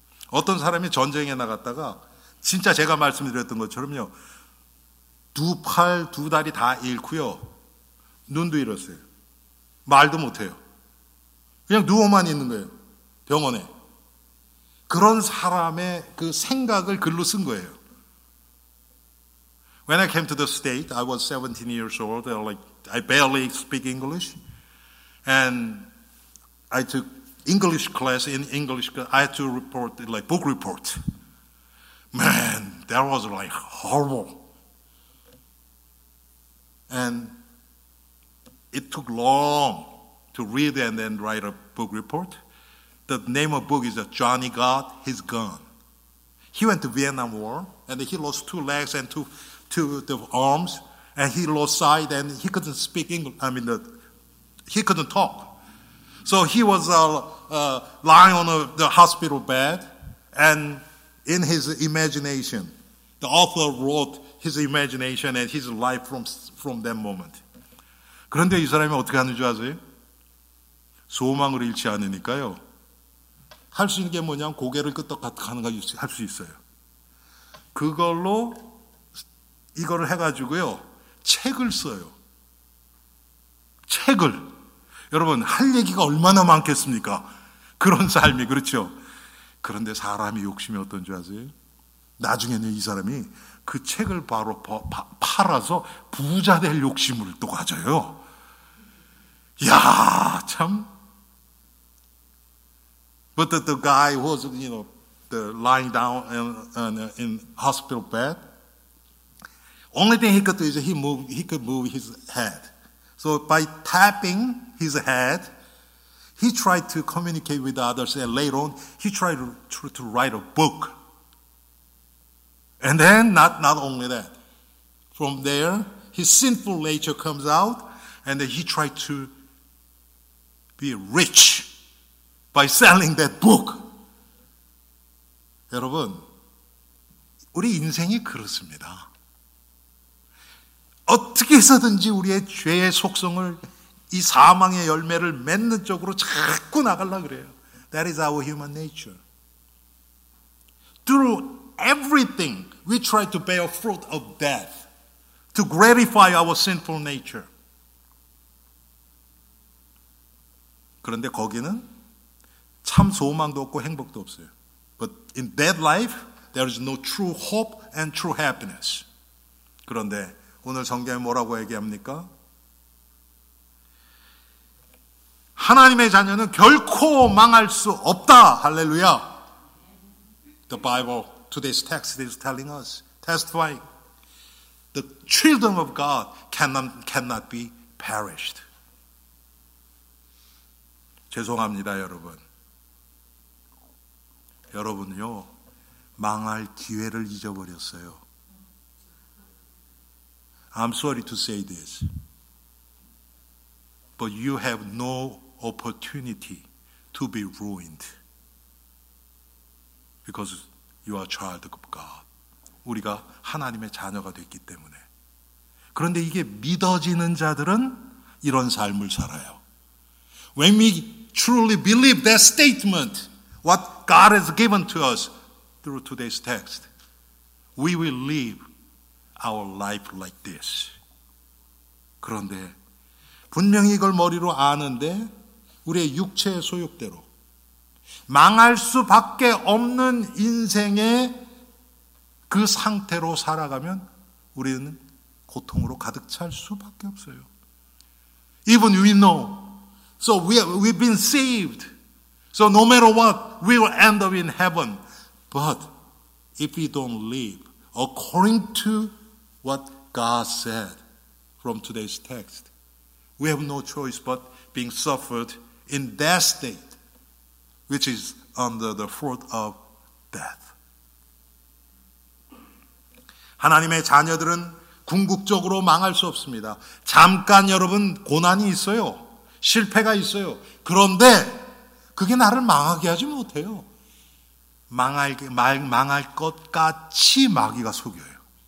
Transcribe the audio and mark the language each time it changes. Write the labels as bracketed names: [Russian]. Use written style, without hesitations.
[Korean] 어떤 사람이 전쟁에 나갔다가 진짜 제가 말씀드렸던 것처럼요. 두 팔, 두 다리 다 잃고요. 눈도 잃었어요. 말도 못해요. 그냥 누워만 있는 거예요. 병원에. 그런 사람의 그 생각을 글로 쓴 거예요. [English] When I came to the state, I was 17 years old. Like, I barely speak English. And I took English class in English. I had to report, like, book report. Man, that was, like, horrible. And it took long to read and then write a book report. The name of the book is Johnny Got His Gun. He went to Vietnam War and he lost two legs and two the arms and he lost sight and he couldn't speak English. I mean, he couldn't talk. So he was lying on the hospital bed and in his imagination, the author wrote his imagination and his life from that moment. [Korean] 그런데 이 사람이 어떻게 하는 줄 아세요? 소망을 잃지 않으니까요. 할 수 있는 게 뭐냐면 고개를 끄덕끄덕 하는 거 할 수 있어요. 그걸로 이거를 해가지고요. 책을 써요. 책을. 여러분 할 얘기가 얼마나 많겠습니까? 그런 삶이 그렇죠. 그런데 사람이 욕심이 어떤 줄 아세요? 나중에는 이 사람이 그 책을 바로 팔아서 부자 될 욕심을 또 가져요. 이야 참. [English] But the guy who was, you know, lying down in hospital bed, only thing he could do is he could move his head. So by tapping his head, he tried to communicate with others, and later on, he tried to write a book. And then, not only that, from there, his sinful nature comes out, and he tried to be rich. By selling that book. [Korean] 여러분, 우리 인생이 그렇습니다. 어떻게 해서든지 우리의 죄의 속성을 이 사망의 열매를 맺는 쪽으로 자꾸 나가려고 그래요. [English] That is our human nature. Through everything, we try to bear fruit of death to gratify our sinful nature. [Korean] 그런데 거기는 참 소망도 없고 행복도 없어요. [English] But in that life, there is no true hope and true happiness. [Korean] 그런데 오늘 성경에 뭐라고 얘기합니까? 하나님의 자녀는 결코 망할 수 없다. 할렐루야. [English] The Bible, today's text is telling us, testifying, the children of God cannot be perished. [Korean] 죄송합니다, 여러분. 여러분요, 망할 기회를 잊어버렸어요. [English] I'm sorry to say this, but you have no opportunity to be ruined because you are a child of God. [Korean] 우리가 하나님의 자녀가 됐기 때문에. 그런데 이게 믿어지는 자들은 이런 삶을 살아요. [English] When we truly believe that statement, what God has given to us through today's text, we will live our life like this. [Korean] 그런데 분명히 이걸 머리로 아는데 우리의 육체의 소욕대로 망할 수밖에 없는 인생의 그 상태로 살아가면 우리는 고통으로 가득 찰 수밖에 없어요. [English] Even we know. So we've been saved. So no matter what, we will end up in heaven. But if we don't live according to what God said from today's text, we have no choice but being suffered in that state, which is under the fruit of death. [Korean] 하나님의 자녀들은 궁극적으로 망할 수 없습니다. 잠깐 여러분 고난이 있어요. 실패가 있어요. 그런데 그게 나를 망하게 하지 못해요. 망할 것 같이 마귀가 속여요.